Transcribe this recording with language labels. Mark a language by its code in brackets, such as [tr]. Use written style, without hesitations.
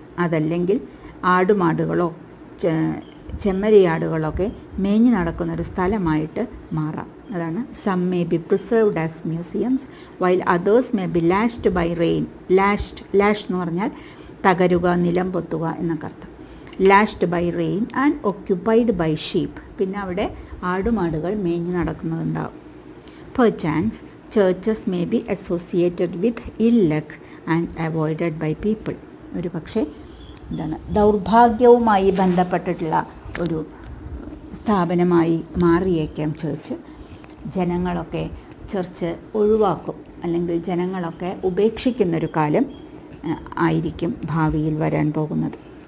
[ml] അതല്ലെങ്കിൽ ആടുമാടുകളോ ചെമ്മരിയാടുകളൊക്കെ മേഞ്ഞു നടക്കുന്നൊരു സ്ഥലമായിട്ട് മാറാം. അതാണ് [en] Some may be preserved as museums while others may be lashed by rain. [ml] Lash എന്ന് പറഞ്ഞാൽ തകരുക, നിലം പൊത്തുക എന്നൊക്കെ അർത്ഥം. [en] lashed by rain and occupied by sheep. [ml] പിന്നെ അവിടെ ആടുമാടുകൾ മേഞ്ഞു നടക്കുന്നുണ്ടാവും. [en] Perchance, churches may be associated with ill luck and avoided by people. [ml] ഒരു പക്ഷേ എന്താണ് ദൗർഭാഗ്യവുമായി ബന്ധപ്പെട്ടിട്ടുള്ള ഒരു സ്ഥാപനമായി മാറിയേക്കാം ചർച്ച്. ജനങ്ങളൊക്കെ ചർച്ച് ഒഴിവാക്കും, അല്ലെങ്കിൽ ജനങ്ങളൊക്കെ ഉപേക്ഷിക്കുന്നൊരു കാലം ആയിരിക്കും ഭാവിയിൽ വരാൻ പോകുന്നത്.